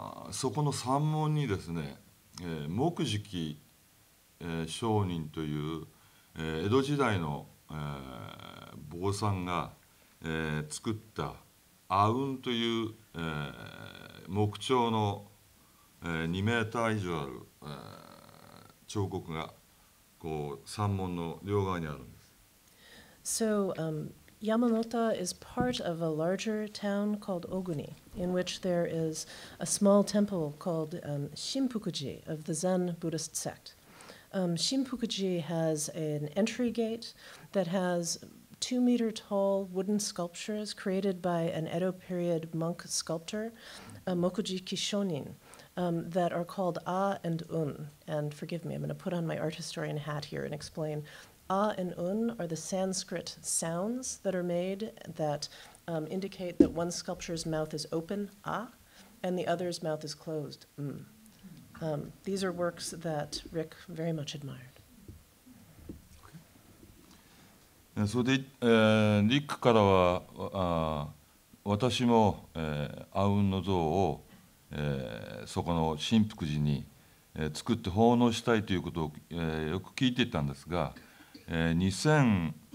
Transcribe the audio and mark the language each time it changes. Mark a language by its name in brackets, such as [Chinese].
[Japanese] そこの山門にですね、木食、商人という、江戸時代の、坊さんが、作った阿吽という、木彫の、2メーター以上ある、彫刻がこう山門の両側にあるんです。 [English] So, Yamanota is part of a larger town called Oguni, in which there is a small temple called Shinpukuji of the Zen Buddhist sect. Shinpukuji has an entry gate that has 2 meter tall wooden sculptures created by an Edo period monk sculptor, Mokuji Kishonin, that are called A and Un. And forgive me, I'm going to put on my art historian hat here and explain. A and Un are the Sanskrit sounds that are made that indicate that one sculpture's mouth is open, A, and the other's mouth is closed, M. These are works that Rick very much admired. [Japanese] それで、リックからは、私も、阿吽の像を、そこの神福寺に、作って奉納したいということを、よく聞いていたんですが、2007